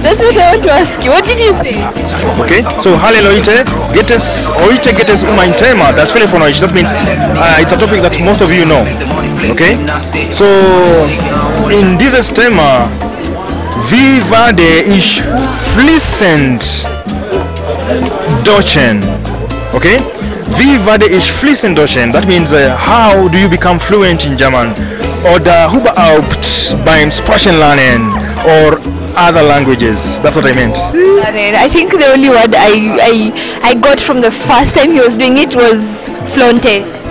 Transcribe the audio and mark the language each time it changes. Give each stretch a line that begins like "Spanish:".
English: That's what I want to ask you. What did you say?
German: Okay. So hallo Leute, geht es mein Thema. Das viele von euch.
English: That means it's a topic that most of you know. Okay.
German: So in dieses Thema, wie werde ich fließend Deutschen? Okay? Wie werde ich fließend Deutschen?
English: That means how do you become fluent in German?
German: Oder überhaupt beim Sprachenlernen
English: or other languages? That's what I meant. I think the only word I got from the first time he was doing it was flonte.